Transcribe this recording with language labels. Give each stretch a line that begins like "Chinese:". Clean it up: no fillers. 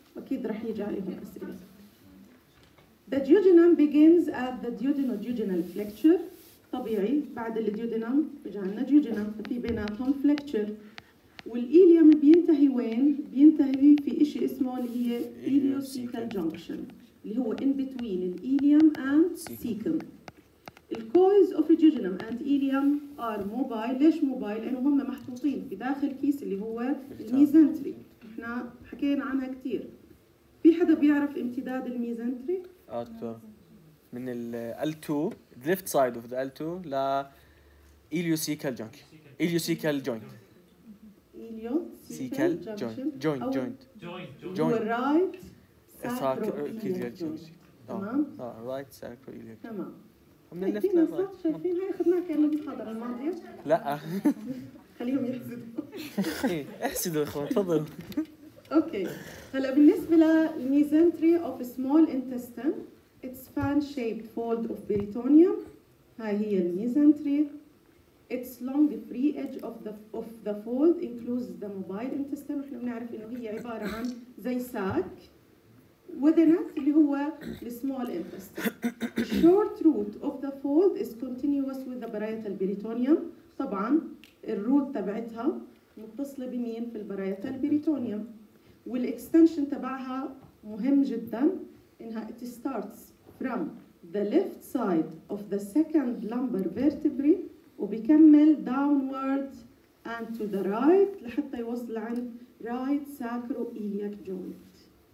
Arabic: أكيد رح يجي عليهم أسئلة.
English: The duodenum begins at the duodeno-duodenal flexure.
Arabic: طبيعي بعد اللي duodenum بجعلنا duodenum في بيناتهم flexure. والإيليام بينتهي وين؟ بينتهي في إشي اسمه اللي هي iliocecal junction اللي هو
English: in between
Arabic: الإيليام and cecum.
English: The coils of duodenum and ileum are mobile.
Arabic: ليش mobile؟ لأنه هم محطوطين في داخل كيس اللي هو الميزنتري. إحنا حكينا عنها كتير. في حدا بيعرف امتداد الميزنتري؟
English: من ال L2 the left side of the L2 ل iliocecal junction. Iliocecal joint. Iliocecal joint. Joint. The right sacroiliac junction. Right sacroiliac.
Arabic: تمام. شايفين صح؟ شايفين هاي أخذناها كأنه المحاضرة الماضية؟ لا خليهم يحسدوا. احسدوا إخوان تفضل. أوكي هلأ بالنسبة للميزنتري
English: of small intestine it's fan shaped fold of peritoneum.
Arabic: هاي هي الميزنتري.
English: It's long the free edge of the fold includes the mobile intestine.
Arabic: إحنا بنعرف إنه هي عبارة عن زي ساك وذنك اللي هو السمول انتستين.
English: Short root of the fold is continuous with the parietal peritoneum.
Arabic: طبعا الروت تبعتها متصلة بمين؟ في البرايتال بيريتونيوم. والإكستنشن تبعها مهم جدا انها
English: it starts from the left side of the second lumbar vertebrae
Arabic: وبيكمل
English: downward and to the right
Arabic: لحتى يوصل عن
English: right sacroiliac joint.